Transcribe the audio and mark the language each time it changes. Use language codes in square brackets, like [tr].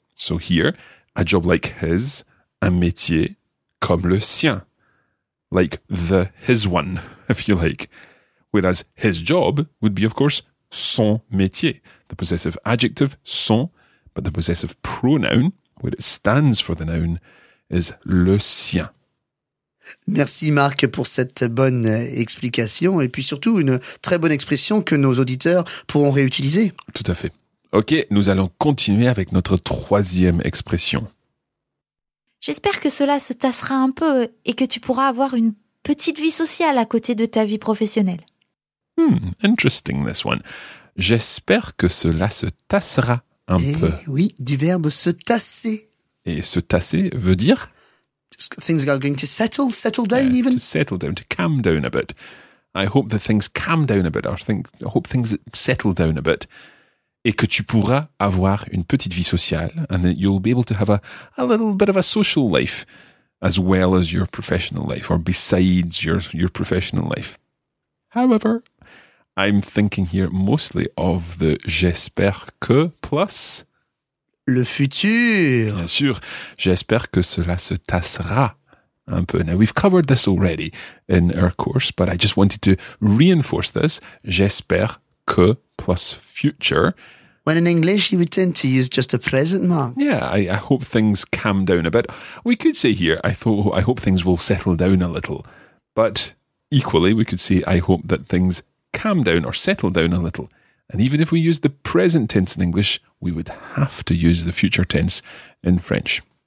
[en] So here, a job like his, [fr] un métier comme le sien. [en] like the his one, if you like. Whereas his job would be, of course, son métier, the possessive adjective son, but the possessive pronoun, where it stands for the noun, is le sien. [fr] Merci Marc pour cette bonne explication et puis surtout une très bonne expression que nos auditeurs pourront réutiliser. Tout à fait. Ok, nous allons continuer avec notre troisième expression. J'espère que cela se tassera un peu et que tu pourras avoir une petite vie sociale à côté de ta vie professionnelle. [en] Interesting this one. [fr] J'espère que cela se tassera un peu. Oui, du verbe se tasser. Et se tasser veut dire [en] things are going to settle down yeah, even. To settle down, to calm down a bit. I hope that things calm down a bit. I hope things settle down a bit. [fr] Et que tu pourras avoir une petite vie sociale [en] and that you'll be able to have a little bit of a social life as well as your professional life or besides your professional life. However, I'm thinking here mostly of the j'espère que plus... [fr] Le futur. Bien sûr. J'espère que cela se tassera un peu. [en] Now, we've covered this already in our course, but I just wanted to reinforce this. [fr] J'espère que [en] plus future. When in English, you would tend to use just a present, Mark. Yeah, I hope things calm down a bit. We could say here, I hope things will settle down a little. But equally, we could say, I hope that things calm down or settle down a little. And even if we use the present tense in English, we would have to use the future tense in French.